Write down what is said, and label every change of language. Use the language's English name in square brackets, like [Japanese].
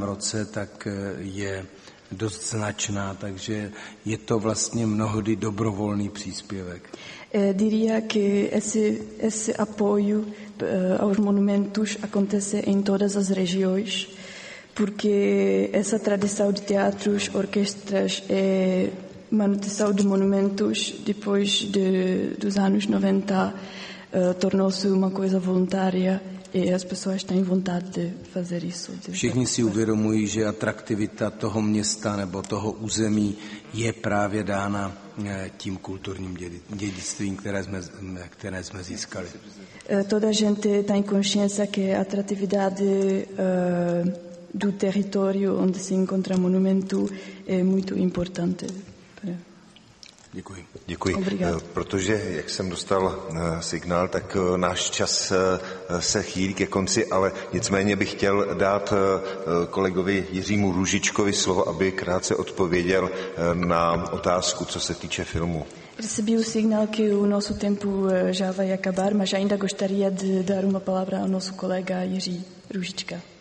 [Czech] roce, tak je dost značná, takže je to vlastně mnohdy dobrovolný příspěvek. [Portuguese] Diria que esse apoio aos monumentos acontece em todas as regiões, porque essa tradição de teatros, orquestras e manutenção de monumentos depois dos anos 90 tornou-se uma coisa voluntária e as pessoas têm vontade de fazer isso. [Czech] Všichni si uvědomují, že atraktivita toho města nebo toho území je právě dána tím kulturním dědictvím, které jsme získali. [Portuguese] Toda gente tem consciência que a atratividade do território onde se encontra monumento é muito importante. [Czech] Děkuji. Děkuji. [Portuguese] Obrigado. [Czech] Protože, jak jsem dostal signál, tak náš čas se chýlí ke konci, ale nicméně bych chtěl dát kolegovi Jiřímu Růžičkovi slovo, aby krátce odpověděl na otázku, co se týče filmu. [Portuguese] Recebi o signal que o nosso tempo já vai acabar, mas ainda gostaria de dar uma palavra ao nosso kolega Jiří Růžička.